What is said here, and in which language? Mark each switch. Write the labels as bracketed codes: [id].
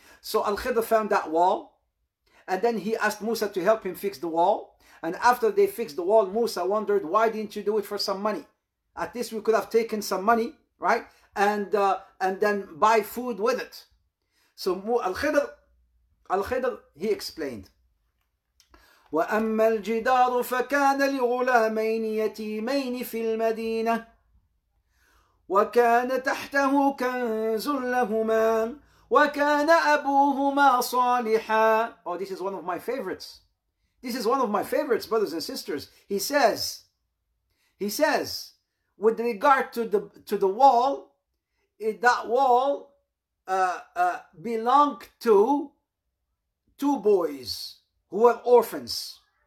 [en] So Al-Khidr found that wall, and then he asked Musa to help him fix the wall. And after they fixed the wall, Musa wondered, why didn't you do it for some money? At least we could have taken some money, right? And then buy food with it. So Al-Khidr, he explained, [ar] وأما الجدار فكان لغلامين يتيمين في المدينة وكان تحته كنز لهما وكان أبوهما صالحا. [en] Oh, this is one of my favorites. This is one of my favorites, brothers and sisters. He says, with regard to the wall, that wall belonged to two boys who were orphans.